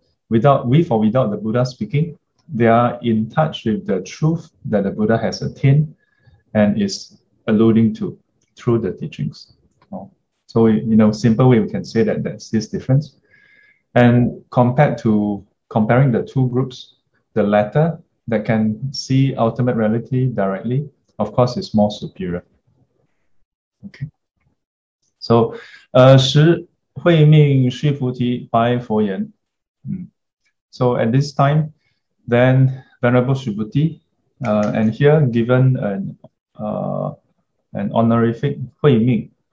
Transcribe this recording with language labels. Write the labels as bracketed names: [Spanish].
[English] Without the Buddha speaking, they are in touch with the truth that the Buddha has attained and is alluding to through the teachings. So, in a simple way, we can say that that's this difference. And comparing the two groups, the latter that can see ultimate reality directly, of course, is more superior. Okay. [Chinese] So, 时慧命须菩提白佛言. [English] So, at this time, then Venerable Shibuti, and here given an honorific 慧命.